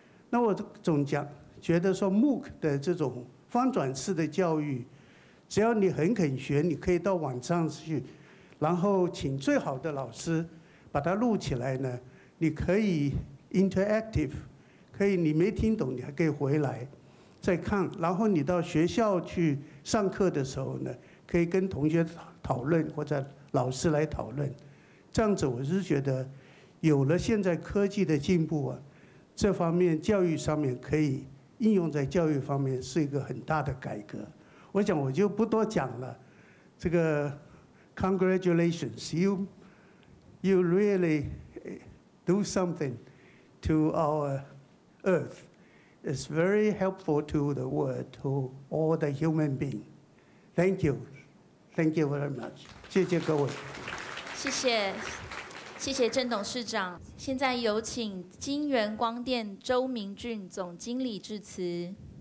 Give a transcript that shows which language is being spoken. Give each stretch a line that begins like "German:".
Chinese: 那我总讲觉得说 MOOC 的这种翻转式的教育，只要你很肯学，你可以到网上去，然后请最好的老师把它录起来呢，你可以 interactive， 可以你没听懂你还可以回来再看，然后你到学校去上课的时候呢，可以跟同学讨论或者老师来讨论。这样子我是觉得有了现在科技的进步啊，这方面教育上面可以应用在教育方面是一个很大的改革。我想我就不多讲了，这个
English: congratulations， you really do something to our earth， it's very helpful to the world， to all the human being， thank you， thank you very much，
Chinese: 谢谢各位，谢谢。谢谢郑董事长，现在有请金源光电周明俊总经理致辞。